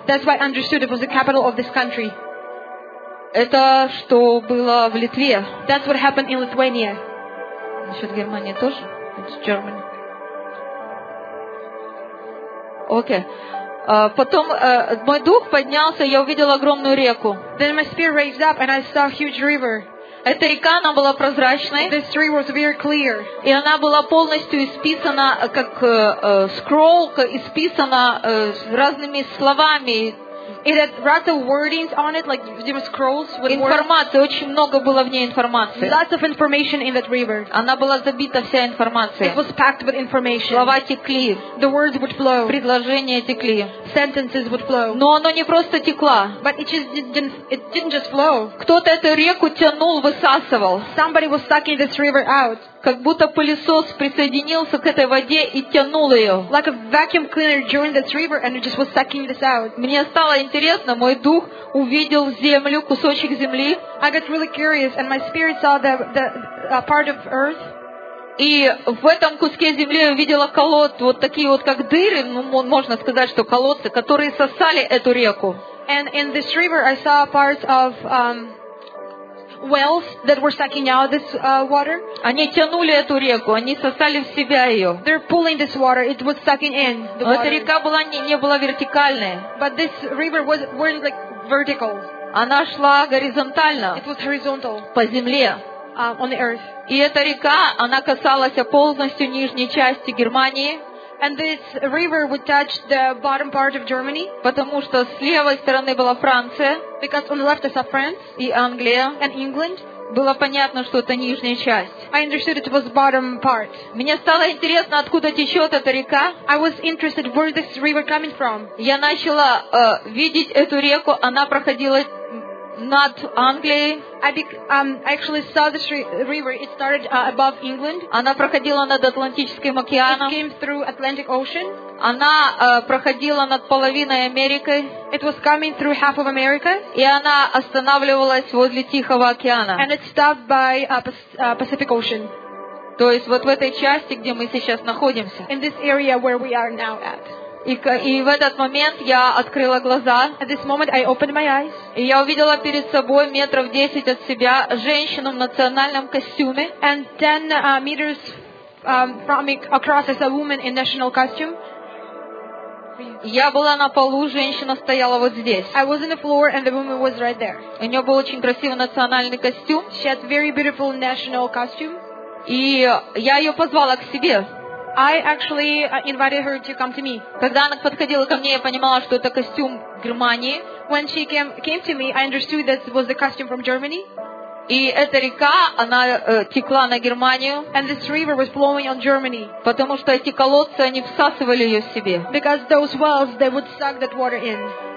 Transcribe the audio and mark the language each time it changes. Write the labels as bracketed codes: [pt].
[en] That's why I understood it was the capital of this country. [ru] Это что было в Литве. [en] That's what happened in Lithuania. [ru] Насчет Германии тоже? [en] It's Germany. Okay. [ru] Потом мой дух поднялся, я увидела огромную реку. [en] Then my spirit raised up and I saw a huge river. [ru] Эта река, она была прозрачной. [en] This river was very clear. [ru] И она была полностью исписана, как scroll, исписана разными словами. [en] It had lots of wordings on it, like different scrolls with words. [ru] Информации, очень много было в ней информации. [en] Lots of information in that river. [ru] Она была забита вся информация. [en] It was packed with information. [ru] Слова текли. [en] The words would flow. [ru] Предложения текли. [en] Sentences would flow. [ru] Но оно не просто текло. [en] But it didn't just flow. [ru] Кто-то эту реку тянул, высасывал. [en] Somebody was sucking this river out. [ru] Как будто пылесос присоединился к этой воде и тянул ее. [en] Like a vacuum cleaner joined this river and it just was sucking this out. [ru] Мне стало интересно, мой дух увидел землю, кусочек земли. [en] I got really curious and my spirit saw the part of earth. [ru] И в этом куске земли я увидела колодцы, вот такие вот как дыры, можно сказать, что колодцы, которые сосали эту реку. [en] And in this river I saw parts of wells that were sucking out this water. [ru] Они тянули эту реку, они сосали в себя ее. [en] They're pulling this water. It was sucking in the water. [ru] Но эта река была не была вертикальная. [en] But this river was weren't like vertical. [ru] Она шла горизонтально. [en] It was horizontal. [ru] По земле. [en] On the earth. [ru] И эта река, она касалась полностью нижней части Германии. [en] And this river would touch the bottom part of Germany. [ru] Потому что с левой стороны была Франция. [en] Because on the left is France. [ru] И Англия. [en] And England. [ru] Было понятно, что это нижняя часть. [en] I understood it was bottom part. [ru] Мне стало интересно, откуда течет эта река. [en] I was interested where this river coming from. [ru] Я начала видеть эту реку, она проходила над Англией. [en] I actually saw this river. It started above England. [ru] Она проходила над Атлантическим океаном. [en] It came through Atlantic Ocean. [ru] Она проходила над половиной Америки. [en] It was coming through half of America. [ru] И она останавливалась возле Тихого океана. [en] And it stopped by Pacific Ocean. [ru] То есть вот в этой части, где мы сейчас находимся. [en] In this area where we are now at. [ru] И в этот момент я открыла глаза. [en] At this moment I opened my eyes. [ru] И я увидела перед собой метров 10 от себя женщину в национальном костюме. [en] And 10 meters from me across is a woman in national costume. [ru] Я была на полу, женщина стояла вот здесь. [en] I was on the floor and the woman was right there. [ru] У нее был очень красивый национальный костюм. [en] She had very beautiful national costume. [ru] И я ее позвала к себе. [en] I actually invited her to come to me. [ru] Когда она подходила ко мне, я понимала, что это костюм Германии. [en] when she came to me, I understood that was the custom from Germany. [ru] И эта река, она текла на Германию. [en] And this river was flowing on Germany. [ru] Потому что эти колодцы, они всасывали ее в себе. [en] Because those wells, they would suck that water in.